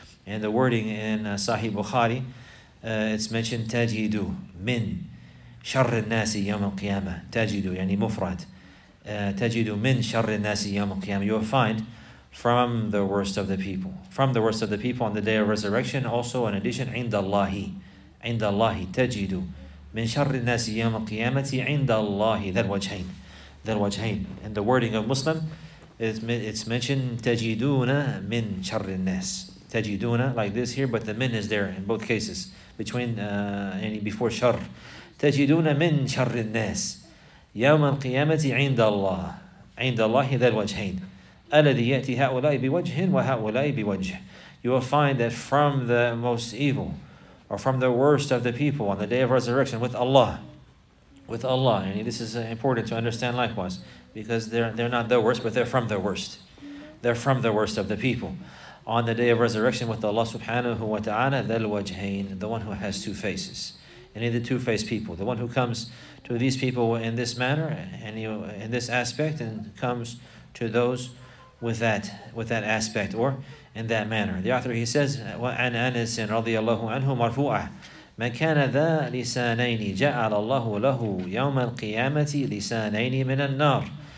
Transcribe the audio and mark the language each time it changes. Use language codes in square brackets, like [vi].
[en] And the wording in Sahih Bukhari, it's mentioned tajidu min [ar] شر الناس يوم القيامة تجدوا يعني مفرد تجدوا من شر الناس يوم القيامة. [en] You will find from the worst of the people, from the worst of the people on the day of resurrection. Also in addition, [ar] عند الله تجدوا من شر الناس يوم القيامة عند الله ذلوجهين ذلوجهين. [en] In the wording of Muslim, it's mentioned [ar] تجدون من شر الناس تجدون, [en] like this here, but the من is there in both cases between any before شر. [ar] تجدون من شر الناس يوم القيامة عند الله عند الله ذا الوجهين الذي يأتي هؤلاء بوجه وهؤلاء بوجه. [en] You will find that from the most evil or from the worst of the people on the day of resurrection with Allah, and this is important to understand likewise, because they're not the worst, but they're from the worst. They're from the worst of the people on the day of resurrection with Allah subhanahu wa ta'ala, [ar] ذا الوجهين, [en] the one who has two faces. Any of the two-faced people, the one who comes to these people in this manner, and in this aspect, and comes to those with that aspect or in that manner. The author, he says, [ar] وَعَنْ أَنَسٍ رَضِيَ اللَّهُ عَنْهُ مَرْفُوعًا مَنْ كَانَ ذَا لِسَانَيْنِ جَعَلَ اللَّهُ لَهُ يَوْمَ الْقِيَامَةِ لِسَانَيْنِ مِنَ النَّارِ.